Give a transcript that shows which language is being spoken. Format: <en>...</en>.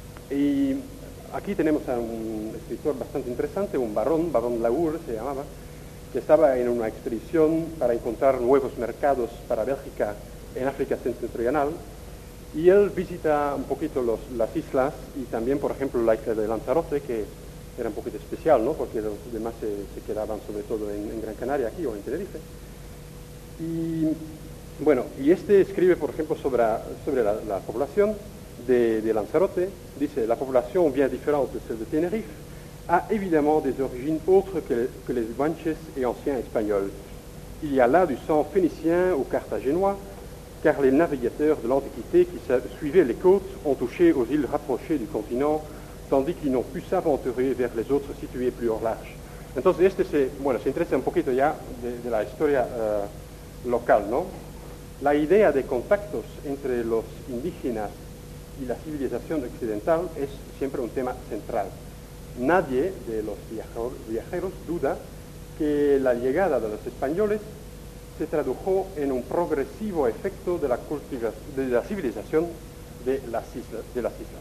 <es>Y aquí tenemos a un escritor bastante interesante, un barón Lagur se llamaba, que estaba en una expedición para encontrar nuevos mercados para Bélgica en África Centro-Oriental, y él visita un poquito las islas y también, por ejemplo, la isla de Lanzarote, que era un poquito especial, ¿no?, porque los demás se quedaban sobre todo en Gran Canaria, aquí, o en Tenerife. Y bueno, y este escribe, por ejemplo, sobre la población de Lanzarote. Dice: la población,</es> <fr>bien différente de celle de Tenerife, a évidemment des origines autres que les guanches et anciens espagnols. Il y a là du sang phénicien ou carthaginois, car les navigateurs de l'Antiquité qui suivaient les côtes ont touché aux îles rapprochées du continent, tandis qu'ils n'ont pu s'aventurer vers les autres situées plus hors large.</fr> <es>Entonces, este se, bueno, se interesa un poquito ya de la historia local, ¿no? La idea de contactos entre los indígenas y la civilización occidental es siempre un tema central. Nadie de los viajeros duda que la llegada de los españoles se tradujo en un progresivo efecto de la civilización de las islas.</es>